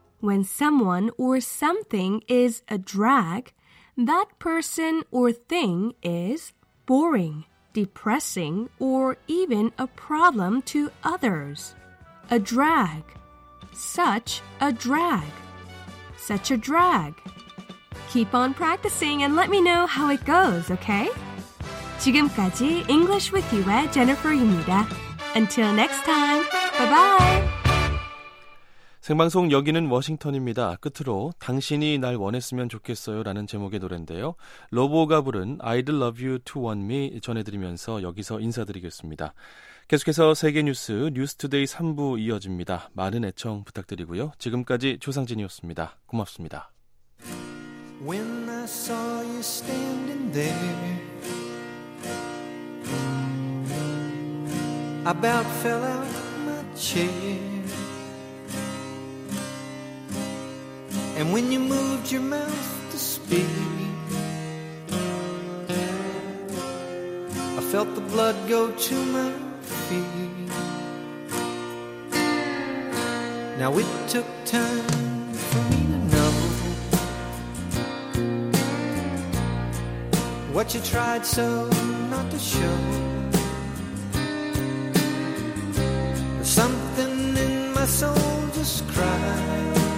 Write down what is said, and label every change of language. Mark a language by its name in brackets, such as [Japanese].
[English] When someone or something is a drag, that person or thing is boring, depressing, or even a problem to others. A drag. Such a drag. Such a drag. Keep on practicing and let me know how it goes, okay? [Korean] 지금까지 English with You의 Jennifer입니다. [English] Until next time, bye-bye! [Korean] 생방송 여기는 워싱턴입니다. 끝으로 당신이 날 원했으면 좋겠어요 라는 제목의 노래인데요. 로보가 부른 I'd love you to want me 전해드리면서 여기서 인사드리겠습니다. 계속해서 세계뉴스 뉴스투데이 3부 이어집니다. 많은 애청 부탁드리고요. 지금까지 조상진이었습니다. 고맙습니다. [English] When I saw you standing there I about fell out my chair And when you moved your mouth to speak I felt the blood go to my feet Now it took time for me to know What you tried so not to show But something in my soul just cried